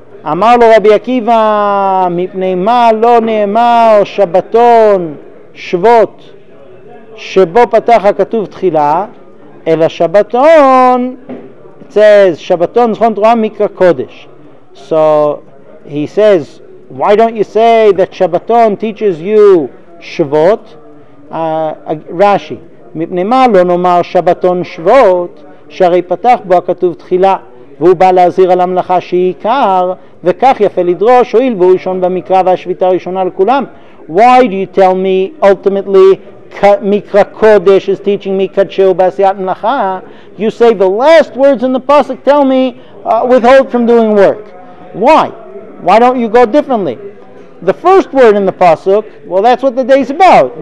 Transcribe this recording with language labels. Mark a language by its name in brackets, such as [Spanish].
[Hebrew] אמר לו רבי עקיבא, מפני מה לא נאמר שבתון שבות שבו פתח הכתוב תחילה, אלא שבתון, [English] it says, [Hebrew] שבתון זכון תרועה מקרא קודש. [English] So he says, why don't you say that שבתון teaches you שבות? [Hebrew] רשי, מפני מה לא נאמר שבתון שבות שהרי פתח בו הכתוב תחילה, והוא בא להזהיר על המלאכה שהיא עיקר, וכך יפה לדרוש, הואיל והוא ראשון במקרא והשביתה הראשונה לכולם. [English] Why do you tell me, ultimately, מקרא קודש is teaching me [Hebrew] קדשהו בעשיית מלאכה? [English] You say the last words in the pasuk tell me, withhold from doing work. Why? Why don't you go differently? The first word in the pasuk, well, that's what the day's about.